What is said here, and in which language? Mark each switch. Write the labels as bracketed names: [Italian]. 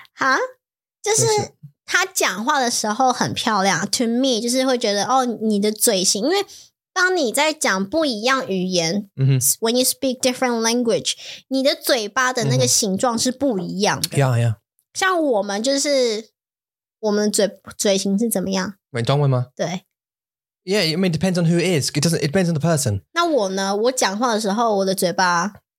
[Chinese] 哈就是她讲话的时候很漂亮 [English] to me, [Chinese] 就是会觉得哦你的嘴型因为当你在讲不一样语言、 mm-hmm. [English] When you speak different language [Chinese] 你的嘴巴的那个形状是不一样的 [English] Yeah, yeah [Chinese] 像我们就是我们嘴型是怎么样 [English] Wait, [Chinese] 中文吗对 [English] Yeah, I mean, it depends on who it is it depends on the person [Chinese] 那我呢我讲话的时候我的嘴巴